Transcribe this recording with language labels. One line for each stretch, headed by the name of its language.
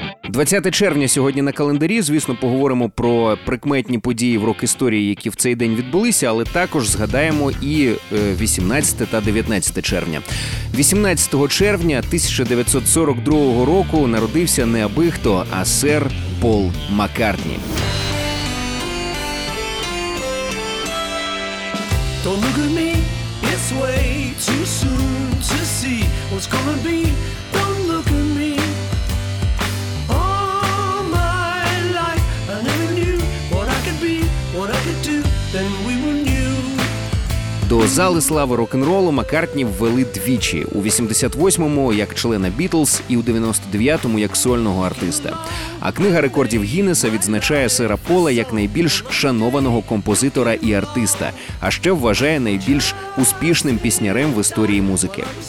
Ukrainian: 20 червня сьогодні на календарі. Звісно, поговоримо про прикметні події в рок-історії, які в цей день відбулися, але також згадаємо і 18 та 19 червня. 18 червня 1942 року народився неабихто, а сер Пол Маккартні.
English: Don't look at me, it's way too soon to see what's gonna be. Don't look at me. All my life I never knew what I could be, what I could do, then we were new.
Ukrainian: До зали слави рок-н-ролу Маккартні ввели двічі: у 88-му як члена Бітлз і у 99-му як сольного артиста. А книга рекордів Гіннеса відзначає сера Пола як найбільш шанованого композитора і артиста, а ще вважає найбільш успішним піснярем в історії музики.